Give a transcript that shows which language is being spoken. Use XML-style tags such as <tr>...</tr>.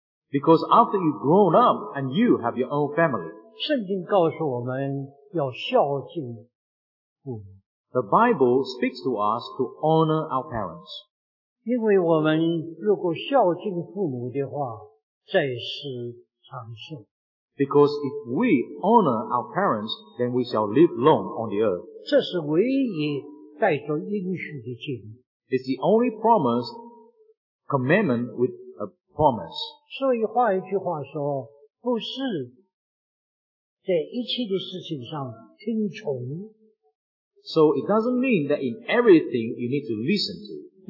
<en>because after you've grown up and you have your own family,</en> <zh>圣经告诉我们要孝敬父母,</zh> <en>the Bible speaks to us to honor our parents.</en> <zh>因为我们如果孝敬父母的话, 在世长寿,</zh> <en>because if we honor our parents, then we shall live long on the earth.</en> <zh>这是唯一带着应许的诫命,</zh> <en>it's the only promise, commandment with a promise.</en> <zh>所以换一句话说, 不是在一切的事情上听从,</zh> <en>so it doesn't mean that in everything you need to listen to,</en>